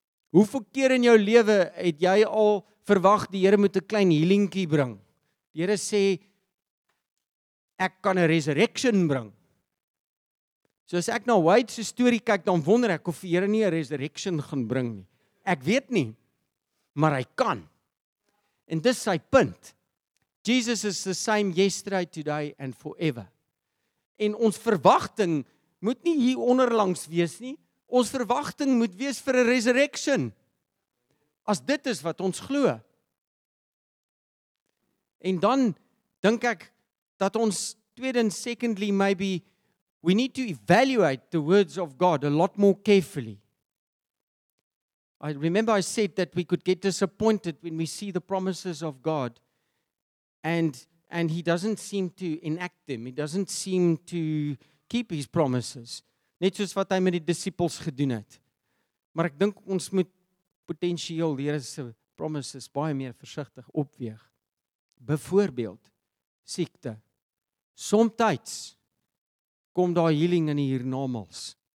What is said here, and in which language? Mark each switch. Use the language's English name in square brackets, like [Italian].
[Afrikaans] Hoeveel keer in jou lewe het jy al verwag die Here moet 'n klein healingkie bring? Die Here sê, ek kan 'n resurrection bring. So as ek na Wade se storie kyk, dan wonder ek of die Here nie 'n resurrection gaan bring nie. Ek weet nie, maar hy kan. En dis sy punt. [English] Jesus is the same yesterday, today and forever. [Afrikaans] En ons verwagting moet nie hier onderlangs wees nie. Ons verwagting moet wees vir 'n resurrection. As dit is wat ons glo. En dan dink ek dat ons tweedens, [English] secondly, maybe we need to evaluate the words of God a lot more carefully. I remember I said that we could get disappointed when we see the promises of God and he doesn't seem to enact them. He doesn't seem to keep his promises. [Afrikaans] Net soos wat hy met die disippels gedoen het. Maar ek dink ons moet potensieel die Here se promises baie meer versigtig opweeg. Byvoorbeeld siekte. Somtyds kom daar healing in die hiernamaals.